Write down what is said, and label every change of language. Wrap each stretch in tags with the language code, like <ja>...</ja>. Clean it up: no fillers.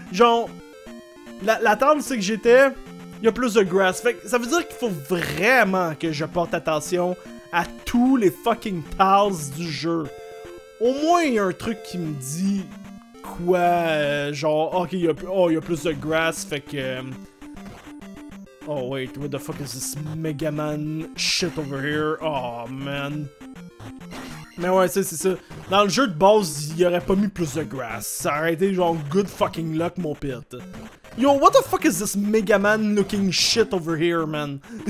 <fr>Genre, la tile, c'est que j'étais... Y'a plus de grass. Fait que ça veut dire qu'il faut vraiment que je porte attention à tous les fucking tiles du jeu. Au moins, il y a un truc qui me dit quoi, genre, ok, il y a plus de grass, fait que...</fr> <en>Oh, wait, what the fuck is this Mega Man shit over here? Oh, man.</en> <fr>Mais ouais, c'est ça. Dans le jeu de base, il y aurait pas mis plus de grass. Ça aurait été genre</fr> <en>good fucking luck,</en> <fr>mon pit.</fr> <en>Yo, what the fuck is this Mega Man looking shit over here, man?</en>